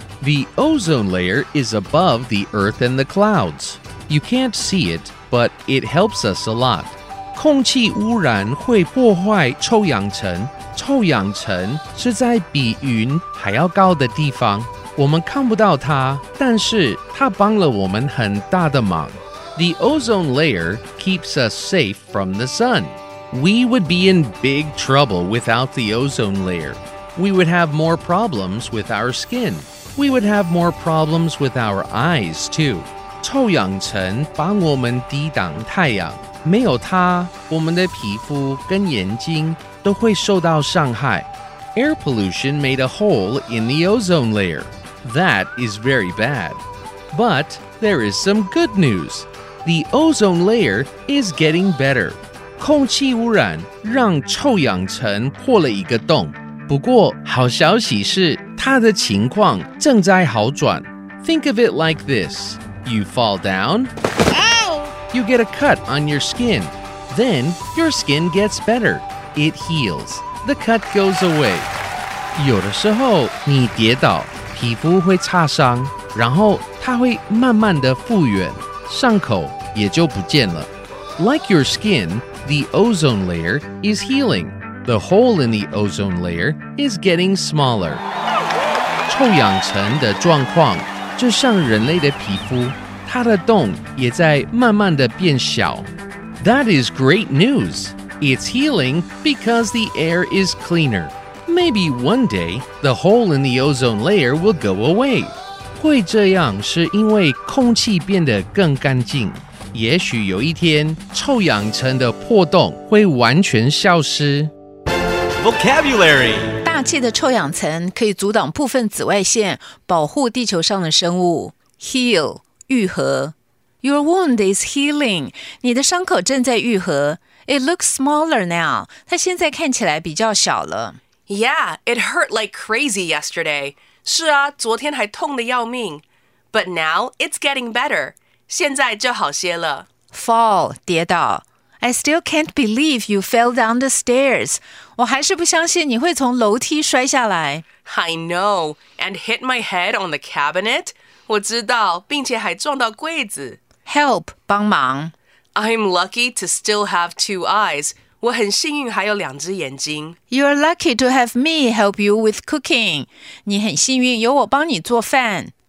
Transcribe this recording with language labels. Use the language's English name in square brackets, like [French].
[English] The ozone layer is above the earth and the clouds. You can't see it, but it helps us a lot. [Chinese] 空气污染会破坏臭氧层，臭氧层是在比云还要高的地方，我们看不到它，但是它帮了我们很大的忙。 [English] The ozone layer keeps us safe from the sun. We would be in big trouble without the ozone layer. We would have more problems with our skin. We would have more problems with our eyes too. [Chinese] 臭氧层帮我们抵挡太阳。没有它，我们的皮肤跟眼睛都会受到伤害。 [English] Air pollution made a hole in the ozone layer. That is very bad. But there is some good news. The ozone layer is getting better. [Chinese] 空气污染让臭氧层破了一个洞。不过好消息是，它的情况正在好转。 [English] Think of it like this. You fall down... You get a cut on your skin. Then, your skin gets better. It heals. The cut goes away. [Chinese] 有的时候你跌倒，皮肤会擦伤，然后它会慢慢地复原，伤口也就不见了。 [English] Like your skin, the ozone layer is healing. The hole in the ozone layer is getting smaller. [Chinese] 臭氧层的状况就像人类的皮肤。它的洞也在慢慢地变小。 [English] That is great news. It's healing because the air is cleaner. Maybe one day, the hole in the ozone layer will go away. [Chinese] 会这样是因为空气变得更干净。也许有一天，臭氧层的破洞会完全消失。 [English] Vocabulary. [Chinese] 大气的臭氧层可以阻挡部分紫外线，保护地球上的生物。 [English] Heal. [Chinese] 愈合 [English] Your wound is healing. [Chinese] 你的伤口正在愈合 [English] It looks smaller now. [Chinese] 它现在看起来比较小了 [English] Yeah, it hurt like crazy yesterday. [Chinese] 是啊，昨天还痛得要命 [English] But now, it's getting better. [Chinese] 现在就好些了 [English] Fall, [Chinese] 跌倒 [English] I still can't believe you fell down the stairs. [Chinese] 我还是不相信你会从楼梯摔下来 [English] I know, and hit my head on the cabinet? [Chinese] 我知道，并且还撞到柜子。 [English] Help, [Chinese] 帮忙。 [English] I'm lucky to still have two eyes. [Chinese] 我很幸运还有两只眼睛。 [English] You're lucky to have me help you with cooking. [Chinese] 你很幸运有我帮你做饭。